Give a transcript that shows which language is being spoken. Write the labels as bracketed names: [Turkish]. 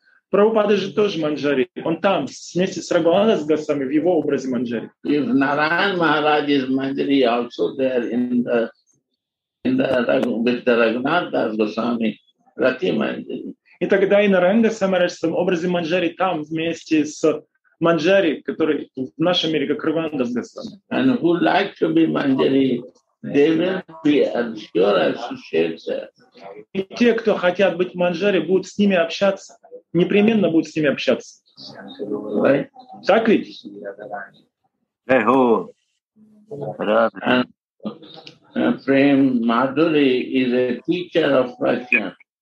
[Russian] Прабхупада же тоже Манджари. Он там, вместе с Рагунатхас Госвами, в его образе Манджари. [English] If Narayan Maharaj is Manjari also there with the Raghunathdas Goswami, Rati Manjari. [Russian] И тогда и Narayan Goswami в образе Манджари там, вместе с Манджари, который в нашем мире как Рагунатхас Госвами. [English] And who like to be Manjari, they will be sure associated. [Russian] И те, кто хотят быть Манджари, будут с ними общаться. Непременно будет с ними общаться. [English] Right. [Russian] Так ведь? [English] Hey, who? Prem Madhuri is a teacher of Russia.